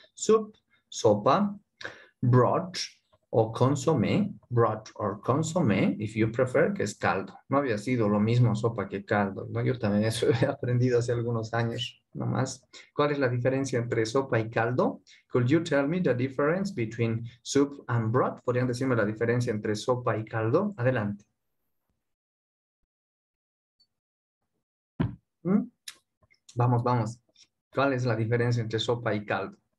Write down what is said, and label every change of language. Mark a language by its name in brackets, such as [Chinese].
[English] Soup, sopa. Broth o consomé. Broth or consomé, if you prefer, [Spanish] que es caldo. No había sido lo mismo sopa que caldo, ¿no? Yo también eso he aprendido hace algunos años. No más. ¿Cuál es la diferencia entre sopa y caldo? [English] Could you tell me the difference between soup and broth? [Spanish] ¿Podrían decirme la diferencia entre sopa y caldo? Adelante. Vamos, vamos. ¿Cuál es la diferencia entre sopa y caldo?